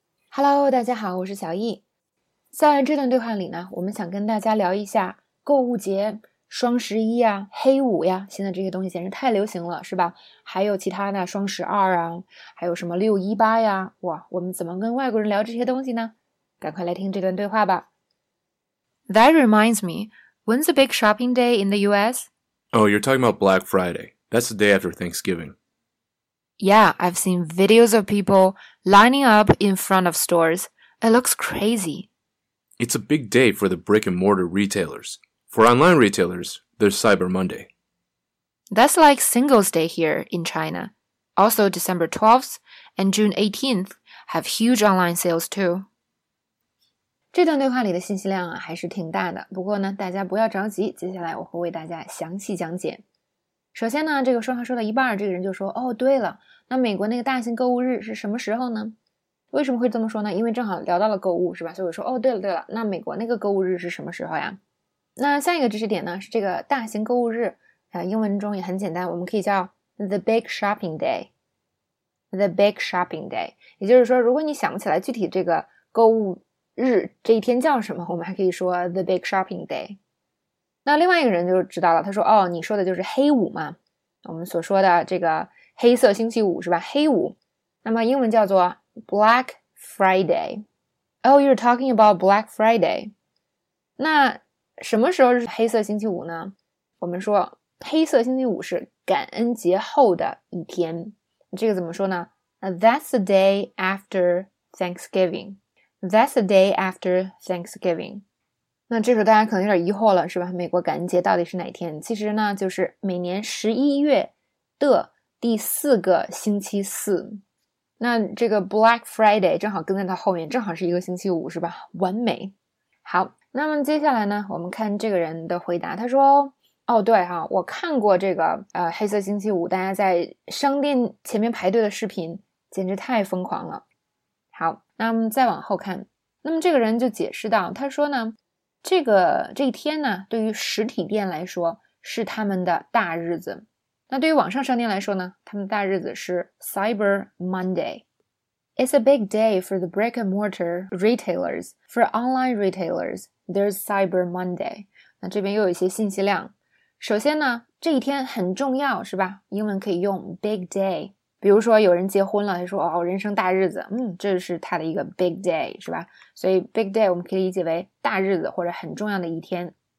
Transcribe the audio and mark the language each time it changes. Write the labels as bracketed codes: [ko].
[zh] Hello，大家好，我是小易。在这段对话里呢，我们想跟大家聊一下购物节、双十一呀、黑五呀，现在这些东西简直太流行了，是吧？还有其他的双十二啊，还有什么六一八呀，哇，我们怎么跟外国人聊这些东西呢？赶快来听这段对话吧。 [en] That reminds me, when's the big shopping day in the US? Oh, you're talking about Black Friday. That's the day after Thanksgiving. Yeah, I've seen videos of people lining up in front of stores. It looks crazy. It's a big day for the brick-and-mortar retailers. For online retailers, there's Cyber Monday. That's like Singles Day here in China. Also, December 12th and June 18th have huge online sales too. [zh] 这段对话里的信息量啊，还是挺大的。不过呢，大家不要着急，接下来我会为大家详细讲解。首先呢，这个说话说到一半，这个人就说："哦，对了，那美国那个大型购物日是什么时候呢？" 为什么会这么说呢？因为正好聊到了购物，是吧？所以我说："哦，对了，对了，那美国那个购物日是什么时候呀？" 那下一个知识点呢，是这个大型购物日啊，英文中也很简单，我们可以叫 [en] The Big Shopping Day， [zh] The Big Shopping Day。也就是说，如果你想不起来具体这个购物日这一天叫什么，我们还可以说 [en] The Big Shopping Day。 [zh] 那另外一个人就知道了，他说："哦，你说的就是黑五嘛，我们所说的这个黑色星期五是吧？黑五，那么英文叫做 Black Friday。 [en] Oh, you're talking about Black Friday。 [zh] 那什么时候是黑色星期五呢？我们说黑色星期五是感恩节后的一天，这个怎么说呢？ [en] That's the day after Thanksgiving。 That's the day after Thanksgiving。 [zh] 那这时候大家可能有点疑惑了，是吧？美国感恩节到底是哪天？其实呢，就是每年11月的第四个星期四。那这个 Black Friday 正好跟在它后面，正好是一个星期五，是吧？完美。好，那么接下来呢，我们看这个人的回答。他说："哦，对哈，我看过这个黑色星期五大家在商店前面排队的视频，简直太疯狂了。" 好，那么再往后看，那么这个人就解释道，他说呢。这一天呢，对于实体店来说是他们的大日子，那对于网上商店来说呢，他们的大日子是 Cyber Monday。 [en] It's a big day for the brick and mortar retailers. For online retailers, there's Cyber Monday。 [zh] 那这边又有一些信息量。首先呢，这一天很重要，是吧？英文可以用 big day。比如说有人结婚了，他说："哦，人生大日子，这是他的一个 big day，是吧？" 所以 big day 我们可以理解为大日子或者很重要的一天。